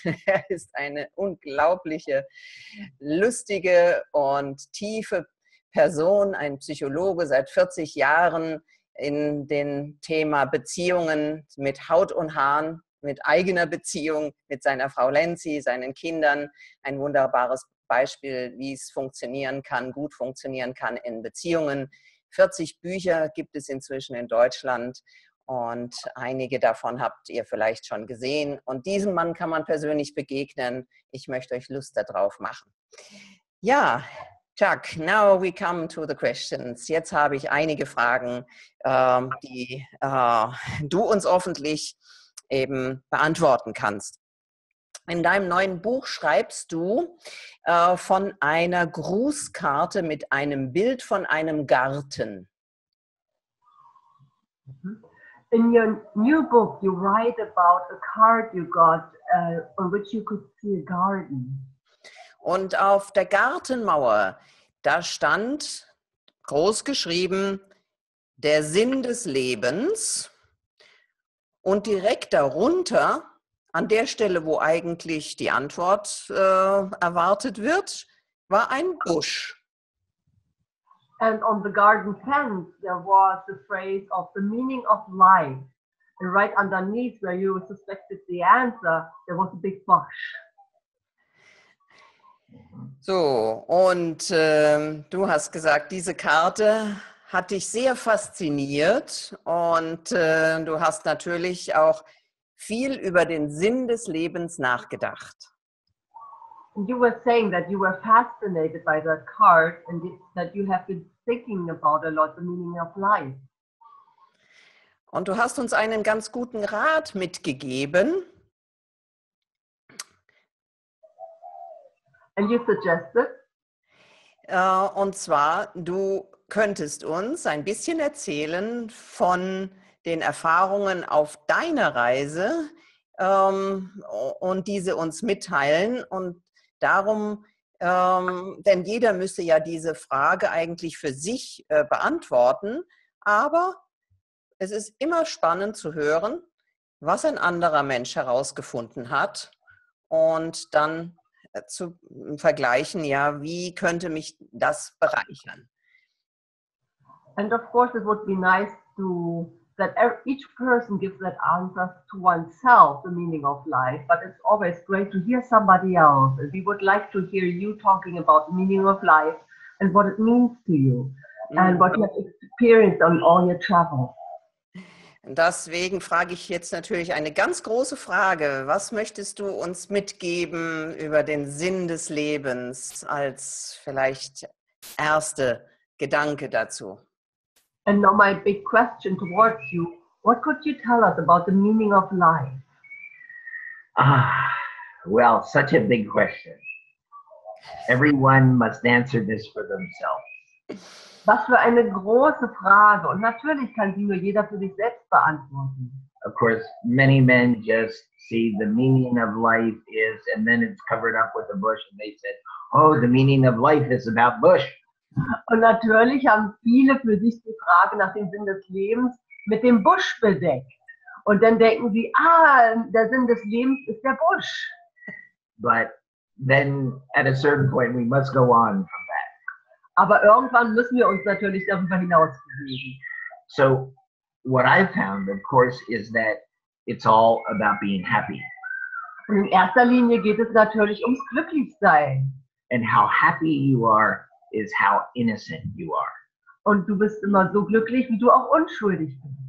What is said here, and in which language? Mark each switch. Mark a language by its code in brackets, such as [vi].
[de] Er ist eine unglaubliche, lustige und tiefe Person, ein Psychologe seit 40 Jahren in dem Thema Beziehungen mit Haut und Haaren, mit eigener Beziehung, mit seiner Frau Lenzi, seinen Kindern. Ein wunderbares Beispiel, wie es funktionieren kann, gut funktionieren kann in Beziehungen. 40 Bücher gibt es inzwischen in Deutschland und einige davon habt ihr vielleicht schon gesehen. Und diesem Mann kann man persönlich begegnen. Ich möchte euch Lust darauf machen. [en] Ja, Chuck, now we come to the questions. [de] Jetzt habe ich einige Fragen, die du uns hoffentlich eben beantworten kannst. In deinem neuen Buch schreibst du von einer Grußkarte mit einem Bild von einem Garten. [en] In your new book you write about a card you got on which you could see a garden. [de] Und auf der Gartenmauer, da stand groß geschrieben der Sinn des Lebens. Und direkt darunter, an der Stelle, wo eigentlich die Antwort erwartet wird, war ein Busch. [en] And on the garden fence there was the phrase of the meaning of life. And right underneath where you suspected the answer, there was a big bush. [de] So, und du hast gesagt, diese Karte hat dich sehr fasziniert und du hast natürlich auch viel über den Sinn des Lebens nachgedacht. [en] You were saying that you were fascinated by that card and that you have been thinking about a lot the meaning of life. [de] Und du hast uns einen ganz guten Rat mitgegeben. [en] And you suggested? [de] Und zwar, du könntest uns ein bisschen erzählen von den Erfahrungen auf deiner Reise und diese uns mitteilen. Und darum, denn jeder müsste ja diese Frage eigentlich für sich beantworten. Aber es ist immer spannend zu hören, was ein anderer Mensch herausgefunden hat und dann zu vergleichen, ja, wie könnte mich das bereichern. [en] And of course, it would be nice to that each person gives that answer to oneself, the meaning of life. But it's always great to hear somebody else. And we would like to hear you talking about the meaning of life and what it means to you and what you have experienced on all your travels. [de] Deswegen frage ich jetzt natürlich eine ganz große Frage. Was möchtest du uns mitgeben über den Sinn des Lebens als vielleicht erste Gedanke dazu? [en] And now my big question towards you, what could you tell us about the meaning of life? Ah, well, such a big question. Everyone must answer this for themselves. [de] Was für eine große Frage. Und natürlich kann sie nur jeder für sich selbst beantworten. [en] Of course, many men just see the meaning of life is, and then it's covered up with a bush, and they said, oh, the meaning of life is about bush. [de] Und natürlich haben viele für sich die Frage nach dem Sinn des Lebens mit dem Busch bedeckt. Und dann denken sie, ah, der Sinn des Lebens ist der Busch. [en] But then at a certain point we must go on from that. [de] Aber irgendwann müssen wir uns natürlich darüber hinaus bewegen. [en] So, what I found, of course, is that it's all about being happy. [de] Und in erster Linie geht es natürlich ums Glücklichsein. [en] And how happy you are is how innocent you are. [de] Und du bist immer so glücklich, wie du auch unschuldig bist.